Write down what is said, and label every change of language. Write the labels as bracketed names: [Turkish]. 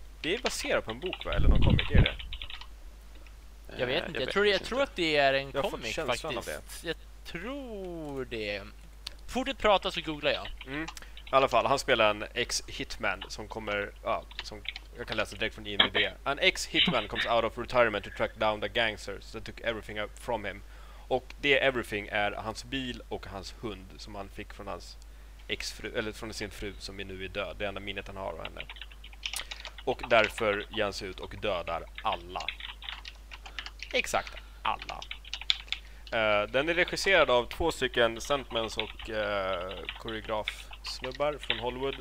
[Swedish] Det är baserat på en bok, va? Eller någon comic, är det? Jag vet inte. Jag tror att det är en comic faktiskt. Jag tror det. Fortsätt prata så googlar jag. I alla fall, han spelar en ex-hitman som kommer, som jag kan läsa direkt från IMDb. [English] An ex-hitman comes out of retirement to track down the gangsters that took everything from him. [Swedish] Och det everything är hans bil och hans hund som han fick från hans ex-fru, eller från sin fru som är nu är död. Det enda minnet han har av henne. Och därför ger han sig ut och dödar alla. Exakt, alla. Den är regisserad av två stycken stuntmans och koreograf-snubbar från Hollywood.